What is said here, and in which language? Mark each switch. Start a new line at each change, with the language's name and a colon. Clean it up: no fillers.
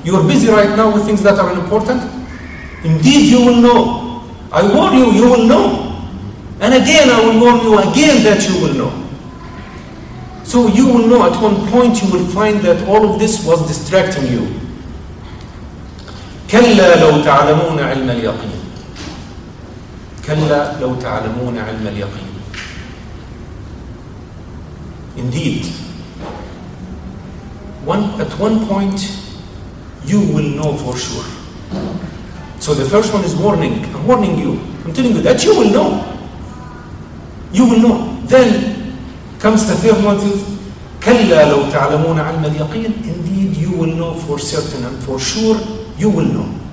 English: You are busy right now with things that are unimportant. Indeed you will know. I warn you, you will know. And again, I will warn you again that you will know. So you will know at one point you will find that all of this was distracting you.
Arabic: كَلَّا لَوْ تَعْلَمُونَ عِلْمَ الْيَقِينَ كَلَّا لَوْ تَعْلَمُونَ عِلْمَ الْيَقِينَ
English: Indeed. At one point, you will know for sure. So the first one is warning. I'm warning you. I'm telling you that you will know. You will know. Then comes the third one. Says,
Arabic: كَلَّا لَوْ تَعْلَمُونَ عَلْمَ الْيَقِينَ
English: Indeed, you will know for certain and for sure you will know.